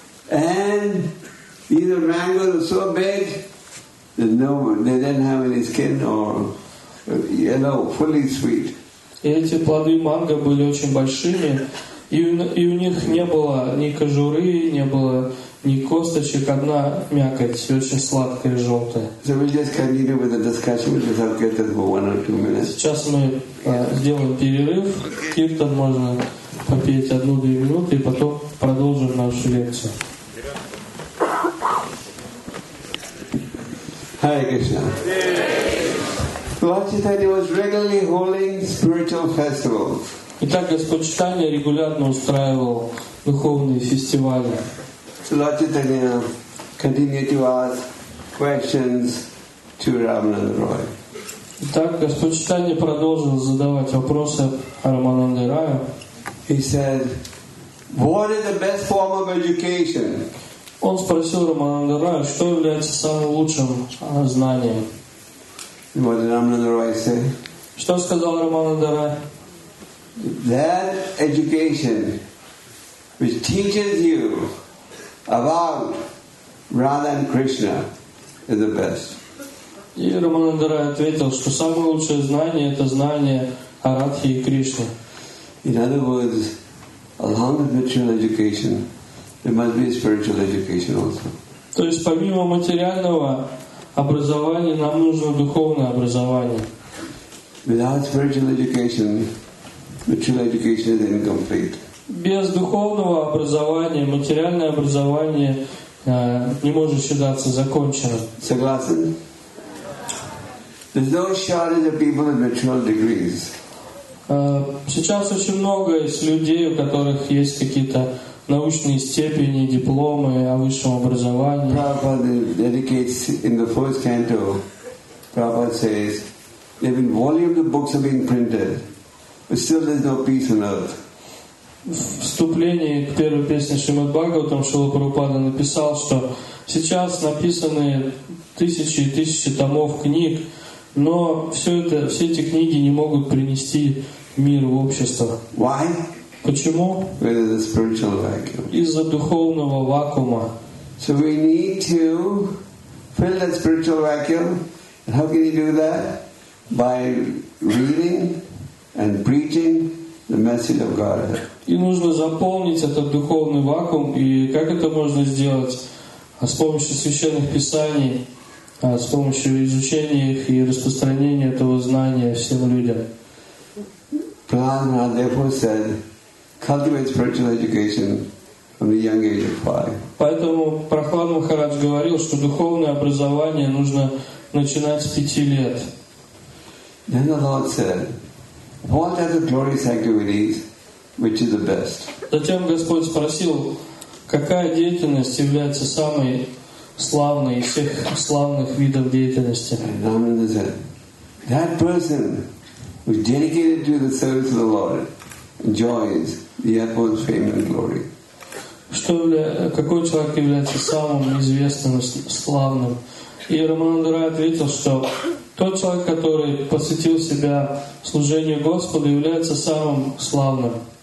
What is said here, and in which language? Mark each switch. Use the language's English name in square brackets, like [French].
[English] And either mangoes are so big that no one, they didn't have any skin or yellow, fully sweet. [Russian] И эти плоды манго были очень большими, и у них не было ни кожуры, не было ни косточек, одна мякоть, очень сладкая, желтая. [English] So we just continue with the discussion, we'll just have kirtan for 1 or 2 minutes. [Russian] Сейчас мы сделаем перерыв, киртан можно попеть 1-2 минуты, и потом продолжим нашу лекцию. [English] Hare Krishna. Lord Chaitanya was regularly holding spiritual festivals. [Russian] Итак, Господь Чайтанья регулярно устраивал духовные фестивали. [English] So Lord Chaitanya continued to ask questions to Рамананда Рая. [Russian] Итак, Господь Чайтанья продолжил задавать вопросы Рамананде Раю. [English] He said, "What is the best form of education?" [Russian] Он спросил Рамананда Рая, что является самым лучшим знанием. [English] What did Рамананда Рая say? [Russian] Что сказал Рамананда Рая? [English] That education which teaches you about Radha and Krishna is the best. [Russian] И Рамананда Рая ответил, что самое лучшее знание — это знание о Радхе и Кришне. [English] In other words, along with material education, there must be spiritual education also. [Russian] То есть помимо материального образования нам нужно духовное образование. Without spiritual education, material education is incomplete. Без духовного образования материальное образование не может считаться законченным. Согласен? [English] There's no shortage of people with material degrees. [Russian] Сейчас очень много есть людей, у которых есть какие-то научные степени, дипломы о высшем образовании. [English] Prabhupada dedicates in the first canto. Prabhupada says, even volumes of books are being printed. But still there's no peace on earth. [Russian] Вступление к первой песне Шримад Бхагаватам Шрила Прабхупада написал, что сейчас написаны тысячи и тысячи томов книг, но все эти книги не могут принести мир в общество. [English] Why? [Russian] Почему? [English] Because of the spiritual vacuum. [Russian] Из-за духовного вакуума. [English] So we need to fill that spiritual vacuum. And how can you do that? By reading and preaching the message of Godhead. [Russian] И нужно заполнить этот духовный вакуум. И как это можно сделать? С помощью священных писаний, с помощью изучения их и распространения этого знания всем людям. [English] Prabhupada therefore said, cultivate spiritual education from the young age of 5. [Russian] Поэтому Прохлад Махарадж говорил, что духовное образование нужно начинать с 5 лет. [English] Then the Lord said, what are the glorious activities which is the best? [Russian] Затем Господь спросил, какая деятельность является самой славной из всех славных видов деятельности? [English] And Рамананда said, that person which is dedicated to the service of the Lord, enjoys the utmost fame and glory. [Russian] Что какой человек является самым известным и славным? И Рамананда ответил, что тот человек, который посвятил себя служению Господу, является самым славным.